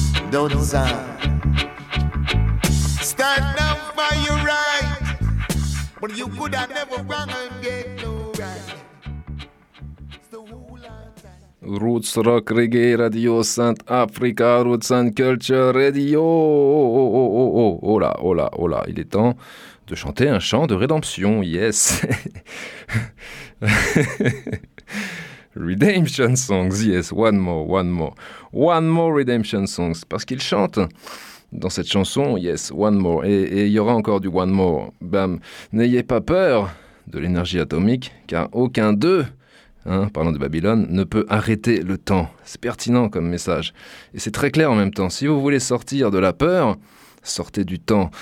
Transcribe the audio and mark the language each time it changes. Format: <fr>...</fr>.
<en>Don't sound. Stand up for your right. But you could have never run and get no right. Roots Rock Reggae Radio Saint Africa, Roots and Culture Radio.</en> <fr>Oh, oh, oh, oh, oh, oh, oh là, oh là, oh là, il est temps de chanter un chant de rédemption, yes.</fr> <en>Redemption songs, yes, one more, one more. One more redemption songs,</en> <fr>parce qu'il chante dans cette chanson, yes, one more. Et il y aura encore du one more, bam. N'ayez pas peur de l'énergie atomique, car aucun d'eux, hein, parlant de Babylone, ne peut arrêter le temps. C'est pertinent comme message. Et c'est très clair en même temps. Si vous voulez sortir de la peur, sortez du temps.</fr>